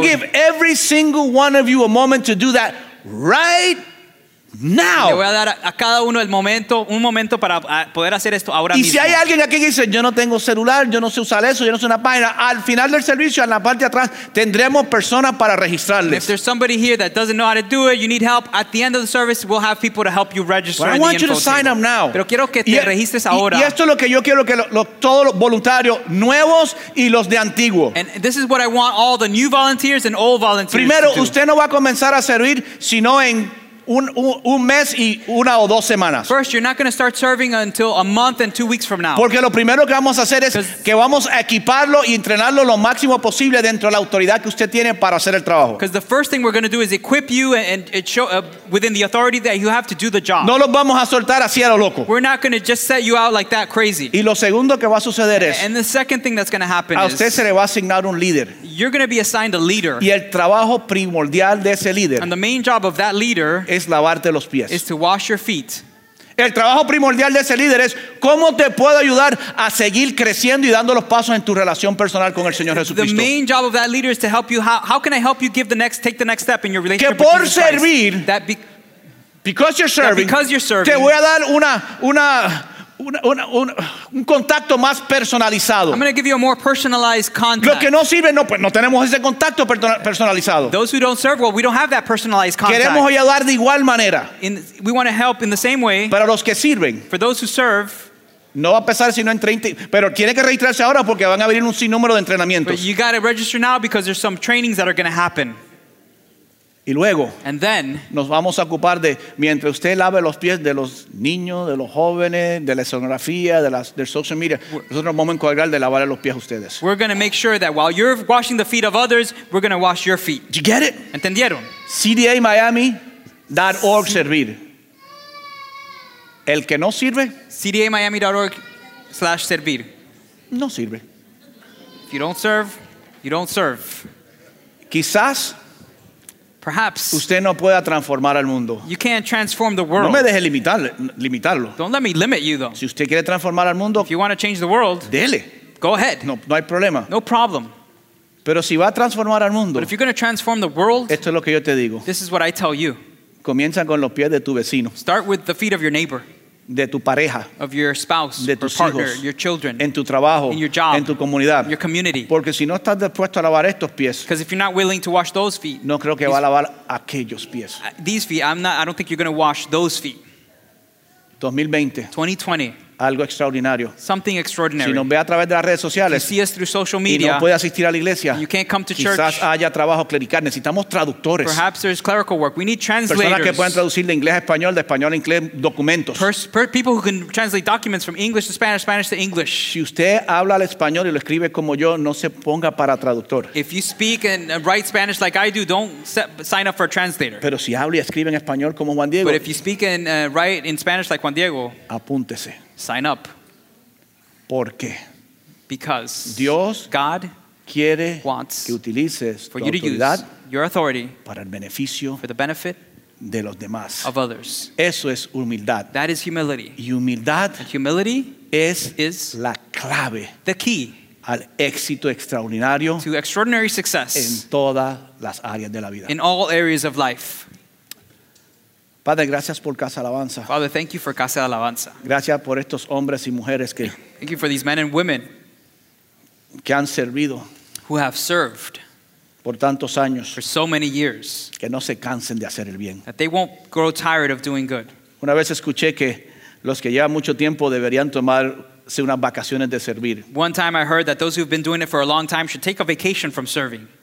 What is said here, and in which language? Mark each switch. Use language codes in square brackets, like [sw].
[en] to give every single one of you a moment to do that. Right now. [es] Le voy a dar a cada uno el momento, un momento para poder hacer esto ahora mismo. Y si hay alguien aquí que dice, yo no tengo celular, yo no sé usar eso, yo no sé una página, al final del servicio, en la parte de atrás, tendremos personas para registrarles. [en] If there's somebody here that doesn't know how to do it, you need help, at the end of the service, we'll have people to help you register. But I want you to sign up now. [es] Pero quiero que te registres ahora. Y esto es lo que yo quiero que todos los voluntarios nuevos y los de antiguo. [en] And this is what I want all the new volunteers and old volunteers. [es] Primero, usted no va a comenzar a servir sino en un mes y una o dos semanas. [en] First, you're not going to start serving until a month and 2 weeks from now. [es] Porque lo primero que vamos a hacer es que vamos a equiparlo y entrenarlo lo máximo posible dentro de la autoridad que usted tiene para hacer el trabajo. [en] Because the first thing we're going to do is equip you and it show within the authority that you have to do the job. [es] No los vamos a soltar así a lo loco. [en] We're not going to just set you out like that crazy. [es] Y lo segundo que va a suceder es. [en] And the second thing that's going to happen is. [es] A usted se le va a asignar un líder. [en] You're going to be assigned a leader. [es] Y el trabajo primordial de ese líder. [en] And the main job of that leader. [es] Es lavarte los pies. [en] Is to wash your feet. [es] El trabajo primordial de ese líder es cómo te puedo ayudar a seguir creciendo y dando los pasos en tu relación personal con el Señor Jesucristo. [en] The main job of that leader is to help you. How can I help you take the next step in your relationship [es] que por [en] with Jesus [es] servir, [en] Christ? That because you're serving. That because you're serving. [es] Te voy a dar un contacto más personalizado. [en] I'm going to give you a more personalized contact. [es] Los que no sirven, no, pues no tenemos ese contacto personalizado. [en] Those who don't serve, well, we don't have that personalized contact. [es] Queremos ayudar de igual manera. [en] We want to help in the same way. [es] Para los que sirven. [en] For those who serve. [es] No va a pesar sino en 30, pero tiene que registrarse ahora porque van a abrir un sinnúmero de entrenamientos. [en] But you got to register now because there's some trainings that are going to happen. [es] Y luego [en] and then, [es] nos vamos a ocupar de mientras usted lave los pies de los niños, de los jóvenes, de la escenografía, del social media. Es otro momento cordial de lavar los pies a ustedes. [en] We're going to make sure that while you're washing the feet of others, we're going to wash your feet. Did you get it? [es] ¿Entendieron? CDAMiami.org servir. El que no sirve. CDAMiami.org/servir. No sirve. [en] If you don't serve, you don't serve. [es] Quizás. [en] Perhaps [es] usted no pueda transformar al mundo. [en] You can't transform the world. [es] No me deje limitarlo. [en] Don't let me limit you, though. [es] Si usted quiere transformar al mundo, [en] if you want to change the world, [es] dele. [en] Go ahead. [es] No hay problema. [en] No problem. [es] Pero si va a transformar al mundo, [en] but if you're going to transform the world, [es] esto es lo que yo te digo. [en] This is what I tell you. [es] Comienza con los pies de tu vecino. [en] Start with the feet of your neighbor. [es] De tu pareja, [en] of your spouse, [es] de tus [en] partner, [es] hijos, [en] your children, [es] en tu trabajo, [en] in your job, [es] en tu comunidad, [en] your community. [es] Porque si no estás dispuesto a lavar estos pies, [en] because if you're not willing to wash those feet, [es] no creo que va a lavar aquellos pies. [en] These feet, I don't think you're going to wash those feet. [es] 2020. Algo extraordinario. [en] Something extraordinary. [es] Si nos ve a través de las redes sociales, [en] if you see us through social media, [es] y no puede asistir a la iglesia, [en] you can't come to [es] quizás [en] church, [es] haya trabajo clerical. Necesitamos traductores. [en] Perhaps there's clerical work. We need translators. [es] Personas que puedan traducir de inglés a español, de español a inglés, documentos. [en] People who can translate documents from English to Spanish, Spanish to English. [es] Si usted habla el español y lo escribe como yo, no se ponga para traductor. [en] If you speak and write Spanish like I do, don't sign up for a translator. [es] Pero si habla y escribe en español como Juan Diego, [en] but if you speak and write in Spanish like Juan Diego, [es] apúntese. [en] Sign up. [es] ¿Por qué? [en] Because [es] Dios, [en] God [es] quiere, [en] wants [es] que utilices [en] for you to use your authority [es] para el beneficio [en] for the benefit [es] de los demás. [en] Of others. [es] Eso es humildad. [en] That is humility. [es] Y humildad, [en] and humility is [es] la clave, [en] the key [es] al éxito extraordinario, [en] to extraordinary success [es] en todas las áreas de la vida. [en] In all areas of life. [es] Padre, gracias por Casa Alabanza. [en] Father, thank you for Casa Alabanza. [es] Gracias por estos hombres y mujeres que [en] thank you for these men and women [es] que han servido, [en] who have served [es] por tantos años, [en] for so many years, [es] que no se cansen de hacer el bien. [en] That they won't grow tired of doing good. [es] Una vez escuché que los que llevan mucho tiempo deberían tomarse unas vacaciones de servir. [en] One time I heard that those who've been doing it for a long time should take a vacation from serving.